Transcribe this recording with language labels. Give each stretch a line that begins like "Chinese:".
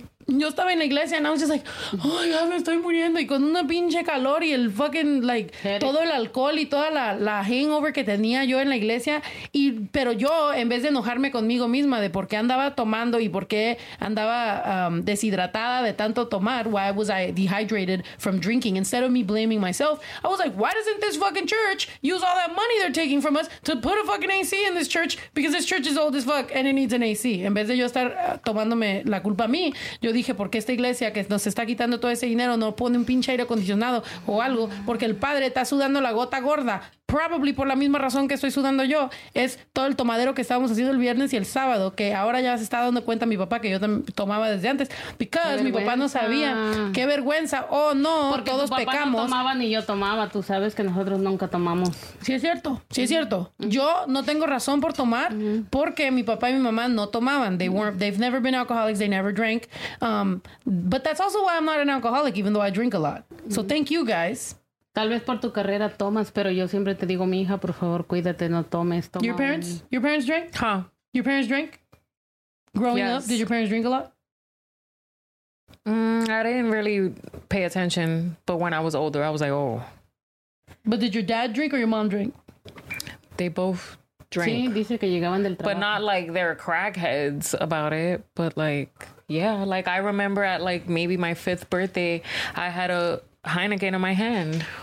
Spanish: Yo estaba en la iglesia
English: and I was just like, oh my God,
Spanish: me estoy muriendo. Y con una pinche calor y el fucking, like, todo el alcohol y toda la hangover que tenía yo en la iglesia. Pero yo, en vez de enojarme conmigo misma de por qué andaba tomando y por qué andaba deshidratada de tanto tomar,
English: why was I dehydrated from drinking? Instead of me blaming myself, I was like, why doesn't this fucking church use all that money they're taking from us to put a fucking AC in this church? Because this church is old as fuck and it needs an AC.
Spanish: En vez de yo estar tomándome la culpa a mí, yo dije, ¿por qué esta iglesia que nos está quitando todo ese dinero no pone un pinche aire acondicionado o algo? Porque el padre está sudando la gota gorda. Probably por la misma razón que estoy sudando yo. Es todo el tomadero que estábamos haciendo el viernes y el sábado, que ahora ya se está dando cuenta mi papá que yo tomaba desde antes. Because mi papá no sabía. ¡Qué vergüenza! ¡Oh, no! Porque todos tu papá pecamos. No tomaba ni yo tomaba. Tú sabes que nosotros nunca tomamos. Sí, es cierto. Sí, es cierto. Yo no tengo razón por tomar porque mi papá y mi mamá no tomaban.
English: They've never been alcoholics. They never drank. But that's also why I'm not an alcoholic, even though I drink a lot. So thank you, guys.
Spanish: Tal vez por tu carrera tomas, pero yo siempre te digo, mi hija, por favor, cuídate, no tomes. Toma.
English: Your parents drink? Huh. Your parents drink? Growing up, did your parents drink a lot? I didn't really pay attention, but when I was older, I was like, oh. But did your dad drink or your mom drink? They both drank.
Spanish: Sí, dice que llegaban del trabajo.
English: But not like they're crackheads about it, but like, yeah, like I remember at like maybe my fifth birthday, I had a Heineken in my hand.